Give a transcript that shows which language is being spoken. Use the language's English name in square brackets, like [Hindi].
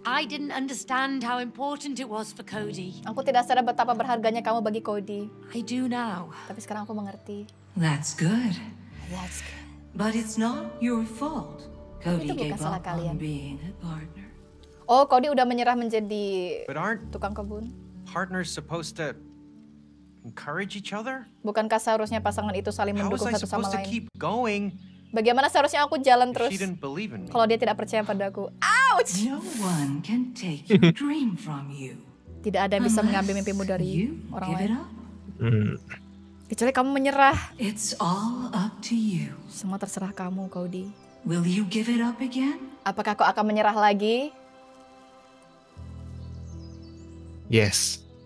[English] I didn't understand how important it was for Cody. [Indonesian] Aku tidak sadar betapa berharganya kamu bagi Cody. [English] I do now. [Indonesian] Tapi sekarang aku mengerti. [English] That's good. But it's not your fault. Cody gave up on being a partner. [Indonesian] Oh, Cody udah menyerah menjadi tukang kebun. [English] Partners supposed to encourage each other? [Indonesian] Bukankah seharusnya pasangan itu saling mendukung satu sama lain? [English] To keep going? [Indonesian] Bagaimana seharusnya aku jalan terus kalau dia tidak percaya padaku? Ow! Ouch. [English] No one can take your dream from you. [Indonesian] Tidak ada yang bisa mengambil mimpimu dari orang lain. Kecuali kamu menyerah. [English] It's all up to you. [Indonesian] Semua terserah kamu, Cody. [English] Will you give it up again? [Indonesian] Apakah kau akan menyerah lagi? [English] Yes.